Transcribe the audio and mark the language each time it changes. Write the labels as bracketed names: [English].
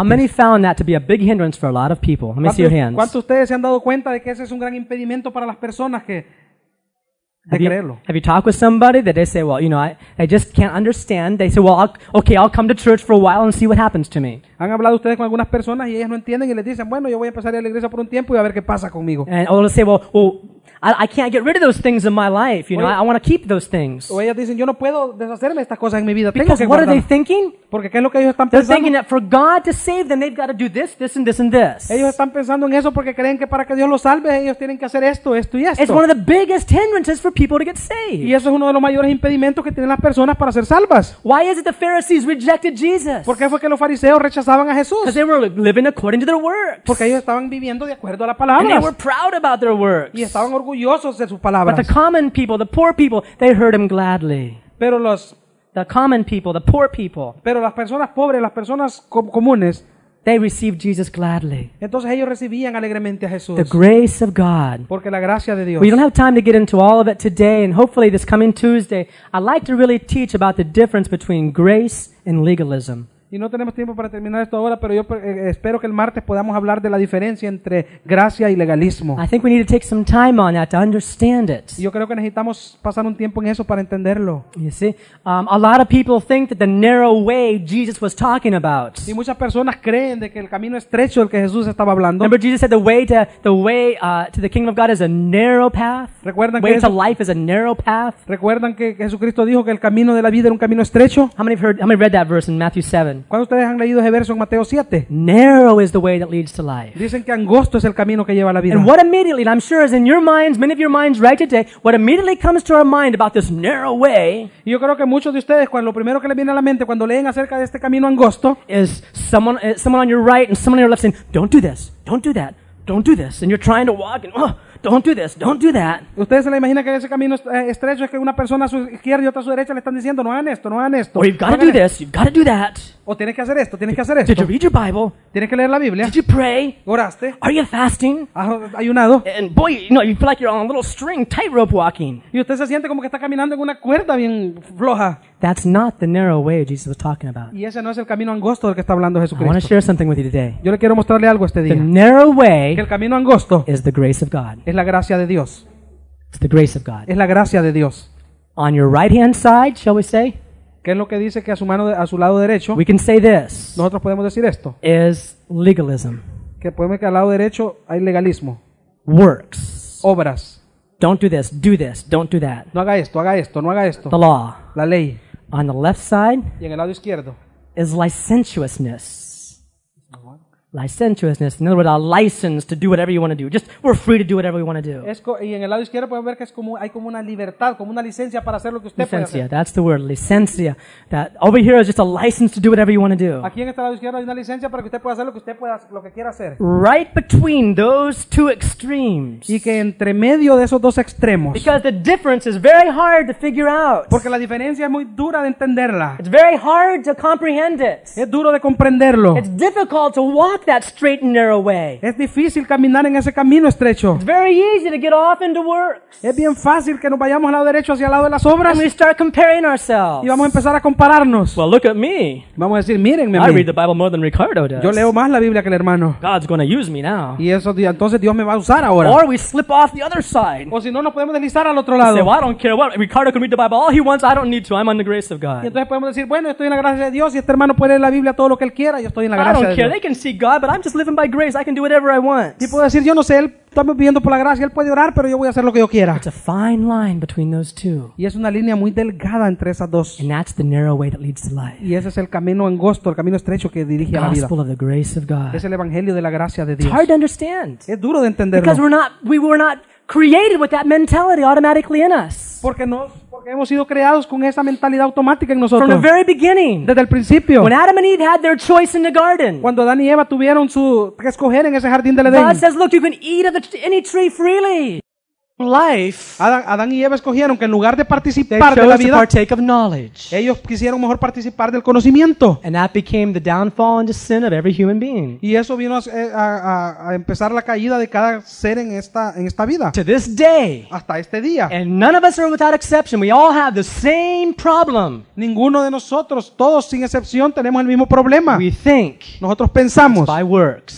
[English] How many found that to be a big hindrance for a lot of people? Let me see your hands. [Spanish] ¿Cuántos ustedes se han dado cuenta de que ese es un gran impedimento para las personas que de creerlo? [English] Have you talked with somebody that they say, well, you know, I just can't understand. They say, well, I'll come to church for a while and see what happens to me. [Spanish] ¿Han hablado ustedes con algunas personas y ellas no entienden y les dicen, bueno, yo voy a empezar a ir a la iglesia por un tiempo y a ver qué pasa conmigo? [English] And they'll say, I can't get rid of those things in my life, you know. I want to keep those things. [Spanish] O ellas dicen, yo no puedo deshacerme de estas cosas en mi vida. [English] Because what are they thinking? [Spanish] Porque qué es lo que ellos están pensando. [English] They're thinking that for God to save them, they've got to do this, this, and this, and this. [Spanish] Ellos están pensando en eso porque creen que para que Dios los salve, ellos tienen que hacer esto, esto y esto. [English] It's one of the biggest hindrances for people to get saved. [Spanish] Y eso es uno de los mayores impedimentos que tienen las personas para ser salvas. [English] Why is it the Pharisees rejected Jesus? [Spanish] ¿Por qué fue que los fariseos rechazaban a Jesús? [English] Because they were living according to their works. [Spanish] Porque ellos estaban viviendo de acuerdo a la palabra. [English] And they were proud about their works. [Spanish] Y estaban orgullosos de sus palabras. [English] But the common people, the poor people, they heard him gladly. [Spanish] Pero los [English] the common people, the poor people. [Spanish] Pero las personas pobres, las personas comunes, [English] they received Jesus gladly. [Spanish] Entonces ellos recibían alegremente a Jesús. [English] The grace of God. [Spanish] Porque la gracia de Dios. [English] We don't have time to get into all of it today, and hopefully this coming Tuesday, I'd like to really teach about the difference between grace and legalism. [Spanish] Y no tenemos tiempo para terminar esto ahora, pero yo espero que el martes podamos hablar de la diferencia entre gracia y legalismo. [English] I think we need to take some time on that to understand it. [Spanish] Yo creo que necesitamos pasar un tiempo en eso para entenderlo. [English] You see, a lot of people think that the narrow way Jesus was talking about. [Spanish] Y muchas personas creen de que el camino estrecho del que Jesús estaba hablando. [English] Remember, Jesus said the way to the kingdom of God is a narrow path. [Spanish] Recuerdan [English] way to life is a narrow path. [Spanish] Recuerdan que Jesucristo dijo que el camino de la vida era un camino estrecho. [English] How many read that verse in Matthew 7? [Spanish] ¿Cuándo ustedes han leído ese verso en Mateo 7? [English] Narrow is the way that leads to life. [Spanish] Dicen que angosto es el camino que lleva a la vida. [English] And what immediately, and I'm sure as in your minds, many of your minds right today, what immediately comes to our mind about this narrow way? [Spanish] Yo creo que muchos de ustedes cuando lo primero que les viene a la mente cuando leen acerca de este camino angosto [English] is someone on your right and someone on your left saying, "Don't do this. Don't do that. Don't do this." And you're trying to walk and don't do this, don't do that. [Spanish] Ustedes se la imaginan que ese camino estrecho es que una persona a su izquierda y otra a su derecha le están diciendo, no hagan esto, no hagan esto. [English] Or you've got to do this, you've got to do that. [Spanish] O tienes que hacer esto, tienes que hacer esto. [English] Did you read your Bible? [Spanish] Tienes que leer la Biblia. [English] Did you pray? [Spanish] ¿Oraste? [English] Are you fasting? [Spanish] ¿Has ayunado? [English] And boy, you know, you feel like you're on a little string, tightrope walking. [Spanish] Y usted se siente como que está caminando en una cuerda bien floja. [English] That's not the narrow way Jesus was talking about. [Spanish] Y ese no es el camino angosto del que está hablando Jesucristo. [English] I want to share something with you today. [Spanish] Yo le quiero mostrarle algo este día. [English] The narrow way, [Spanish] que el camino angosto, [English] is the grace of God. [Spanish] Es la gracia de Dios. [English] It's the grace of God. [Spanish] Es la gracia de Dios. [English] On your right hand side, shall we say? [Spanish] ¿Qué es lo que dice que a su mano, a su lado derecho? [English] We can say this. [Spanish] Nosotros podemos decir esto. [English] Is legalism. [Spanish] Que podemos decir que al lado derecho hay legalismo. [English] works. [Spanish] Obras. [English] Don't do this, do this, don't do that. [Spanish] No haga esto, haga esto, no haga esto. [English] The law. [Spanish] La ley. [English] On the left side. [Spanish] Y en el lado izquierdo. [English] Is licentiousness. Licentiousness. In other words, a license to do whatever you want to do. Just, we're free to do whatever we want to do. [Spanish] Y en el lado izquierdo pueden ver que es como, hay como una libertad, como una licencia para hacer lo que usted licencia, puede hacer. [English] That's the word, licencia. That over here is just a license to do whatever you want to do. [Spanish] Aquí en este lado izquierdo hay una licencia para que usted pueda hacer lo que usted pueda, lo que quiera hacer. [English] Right between those two extremes. [Spanish] Y que entre medio de esos dos extremos. [English] Because the difference is very hard to figure out. [Spanish] Porque la diferencia es muy dura de entenderla. [English] It's very hard to comprehend it. [Spanish] Es duro de comprenderlo. [English] It's difficult to walk that straight and narrow way. [Spanish] Es difícil caminar en ese camino estrecho. [English] It's very easy to get off into works. [Spanish] Es bien fácil que nos vayamos al lado derecho hacia el lado de las obras. [English] And we start comparing ourselves. [Spanish] Y vamos a empezar a compararnos. [English] Well, look at me. [Spanish] Vamos a decir, mírenme a mí. [English] I read the Bible more than Ricardo does. [Spanish] Yo leo más la Biblia que el hermano. [English] God's going to use me now. [Spanish] Y eso, entonces Dios me va a usar ahora. [English] Or we slip off the other side. [Spanish] O si no, nos podemos deslizar al otro lado. [English] Say, well, I don't care what Ricardo can read the Bible all he wants. I don't need to. I'm under the grace of God. [Spanish] Y entonces podemos decir, bueno, estoy en la gracia de Dios y este hermano puede leer la Biblia todo lo que él quiera. Yo estoy en la gracia de Dios. [English] I don't care. They can see God, but I'm just living by grace. I can do whatever I want. [Spanish] Y puedo decir, yo no sé, él está viviendo por la gracia, él puede orar, pero yo voy a hacer lo que yo quiera. [English] It's a fine line between those two. [Spanish] Y es una línea muy delgada entre esas dos. [English] And that's the narrow way that leads to life. [Spanish] Y ese es el camino angosto, el camino estrecho que dirige a la vida. [English] Gospel of the grace of God. [Spanish] Es el evangelio de la gracia de Dios. [English] It's hard to understand. [Spanish] Es duro de entenderlo. [English] Because we were not created with that mentality automatically in us. [Spanish] Porque hemos sido creados con esa mentalidad automática en nosotros. [English] From the very beginning. [Spanish] Desde el principio. [English] When Adam and Eve had their choice in the garden. [Spanish] Cuando Adán y Eva tuvieron su que escoger en ese jardín del Edén. [English] God says, look, you can eat of any tree freely. Life. [Spanish] Adán y Eva escogieron que en lugar de participar de la vida, [English] partake of knowledge. [Spanish] Ellos quisieron mejor participar del conocimiento. [English] And that became the downfall and the sin of every human being. [Spanish] Y eso vino a empezar la caída de cada ser en esta vida. [English] To this day. [Spanish] Hasta este día. [English] And none of us are without exception. We all have the same problem. [Spanish] Ninguno de nosotros, todos sin excepción, tenemos el mismo problema. [English] We think. [Spanish] Nosotros pensamos. [English] By works.